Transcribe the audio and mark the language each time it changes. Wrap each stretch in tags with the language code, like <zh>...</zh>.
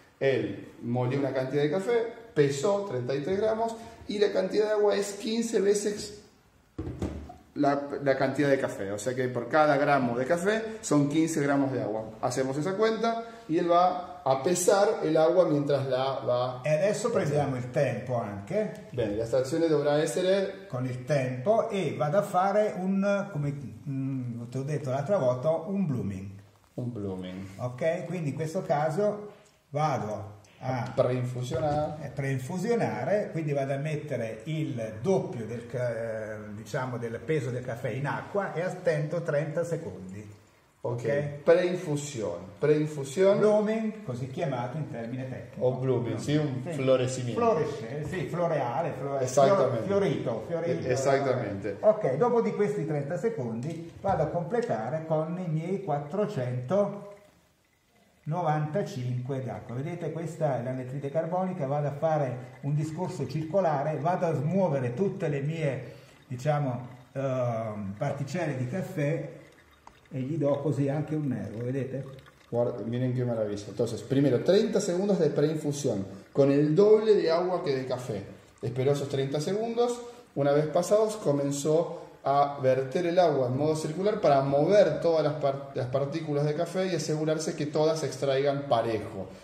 <es>Él molió una cantidad de café, pesó 33 gramos y la cantidad de agua es 15 veces la cantidad de café. O sea que por cada gramo de café son 15 gramos de agua. Hacemos esa cuenta y él va a pesar el agua mientras la va...</es> <it>Y adesso prendiamo il tempo anche.</it> <es>Bien, la estación</es> <it>dovrà essere... Con il tempo e vado a fare un, come te ho detto l'altra volta, un blooming. Un blooming. Ok, quindi in questo caso vado a... Preinfusionare, quindi vado a mettere il doppio del, diciamo, del peso del caffè in acqua e attento 30 secondi. Okay. Ok, preinfusione, blooming, così chiamato in termine tecnico. O blooming, sì, un sì. Florescimento. Floresce, sì, floreale, fiorito. Esattamente. Ok, dopo di questi 30 secondi vado a completare con i miei 495 d'acqua. Vedete, questa è l'anidride carbonica, vado a fare un discorso circolare, vado a smuovere tutte le mie, diciamo, particelle di caffè. E gli do così anche un nervo, vedete? Guarda,</it> <es>miren</es> <it>che meraviglia.</it> <es>Entonces, primero 30 segundos de preinfusión con el doble de agua que de café. Esperó esos 30 segundos. Una vez pasados, comenzó a verter el agua en modo circular para mover todas las partículas de café y asegurarse que todas se extraigan parejo.</es>